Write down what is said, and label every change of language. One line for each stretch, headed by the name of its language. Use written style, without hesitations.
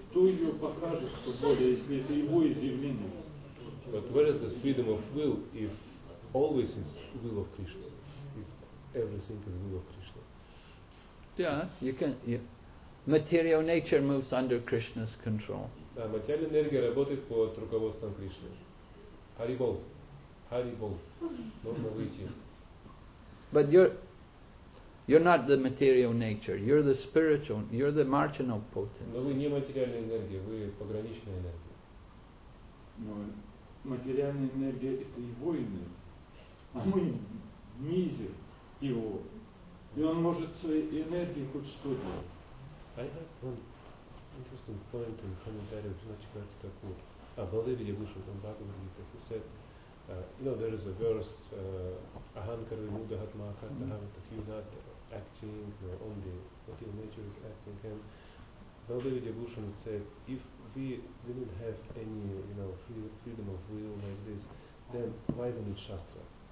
Russian: Кто ее покажет, свобода, если это его изъявление?
English: But where is this freedom of will if always is will of Krishna? If everything is will of Krishna? Yeah, you can. Yeah. Material nature moves under Krishna's control.
Russian: Да, материальная энергия работает под руководством Кришны. Харибол. Харибол. Нужно выйти.
English: But you're not the material nature. You're the spiritual. You're the marginal potency.
Russian: Но вы не материальная энергия, вы пограничная энергия. Но материальная энергия — это его энергия. А мы ниже его. И он может своей энергией хоть что делать.
English: I have one interesting point in commentary of Bhaktivinoda Thakur. Bhaktivinoda Thakur from Bhagavad Gita, he said, there is a verse, Ahankar Vimudahatma Kartahavatak, you're not acting, you're only, what your nature is acting. And Bhaktivinoda Thakur said, if we didn't have any, you know, freedom of will like this, then why we need Shastra?